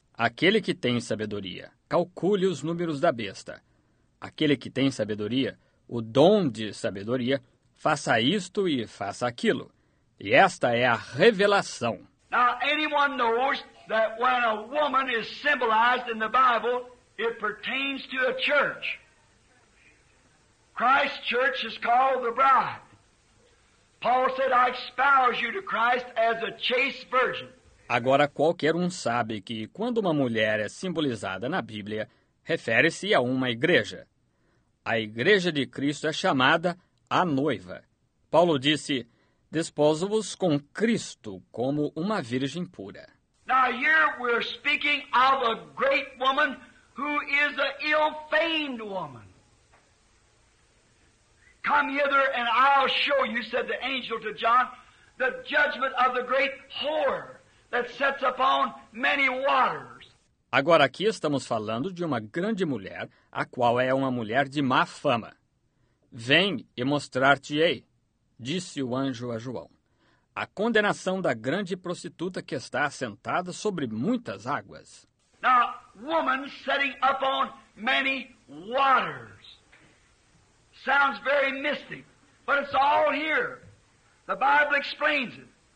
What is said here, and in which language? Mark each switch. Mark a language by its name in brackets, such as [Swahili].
[Portuguese] Aquele que tem sabedoria, calcule os números da besta. Aquele que tem sabedoria, o dom de sabedoria, faça isto e faça aquilo. E esta é a revelação. [English] Now, anyone knows that when a woman is symbolized in the Bible, It pertains to a church. Christ's church is called the bride. Paul said, I espouse you to Christ as a chaste virgin. [Portuguese] Agora, qualquer um sabe que, quando uma mulher é simbolizada na Bíblia, refere-se a uma igreja. A igreja de Cristo é chamada a noiva. Paulo disse, desposo-vos com Cristo como uma virgem pura. [English] Now here we're speaking of a great woman who is an ill-famed woman. Come hither and I'll show you, said the angel to John, the judgment of the great whore that sets upon many waters. [Portuguese] Agora aqui estamos falando de uma grande mulher, a qual é uma mulher de má fama. Vem e mostrar-te-ei, disse o anjo a João, a condenação da grande prostituta que está assentada sobre muitas águas. [English] Now, woman setting up on many waters. Sounds very mystic, but it's all here. The Bible explains it.